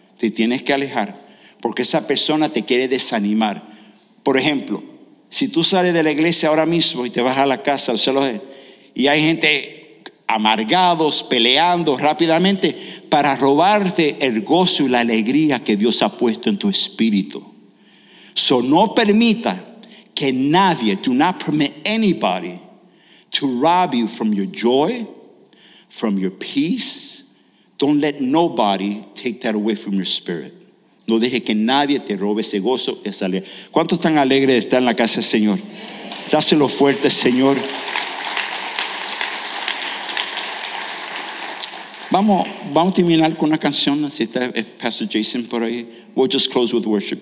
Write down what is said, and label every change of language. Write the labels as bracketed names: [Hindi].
[Spanish] Te tienes que alejar porque esa persona te quiere desanimar. Por ejemplo, si tú sales de la iglesia ahora mismo y te vas a la casa, y hay gente amargados, peleando rápidamente para robarte el gozo y la alegría que Dios ha puesto en tu espíritu. So, no permita que nadie, [English] do not permit anybody to rob you from your joy, from your peace. Don't let nobody take that away from your spirit. [Spanish] No deje que nadie te robe ese gozo, esa alegría. ¿Cuántos están alegres de estar en la casa del Señor? Dáselo fuerte, Señor. Vamos a terminar con una canción. Si está Pastor Jason por ahí, [English] we'll just close with worship.